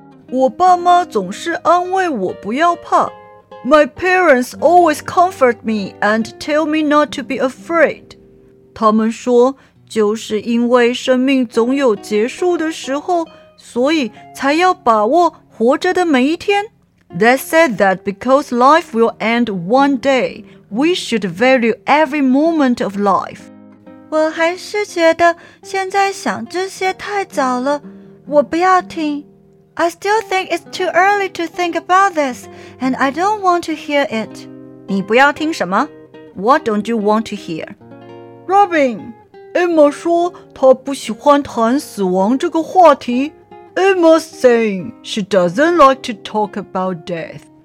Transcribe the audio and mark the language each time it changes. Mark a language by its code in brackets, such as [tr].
[zh] 我爸妈总是安慰我不要怕。 [en] My parents always comfort me and tell me not to be afraid. [zh] 他们说就是因为生命总有结束的时候，所以才要把握活着的每一天。 [en] They said that because life will end one day, we should value every moment of life. [zh] 我还是觉得现在想这些太早了，我不要听。 [en] I still think it's too early to think about this, and I don't want to hear it. [zh] 你不要听什么？ [en] What don't you want to hear? [zh] Robin, Emma 说她不喜欢谈死亡这个话题。 [en] Emma's saying she doesn't like to talk about death.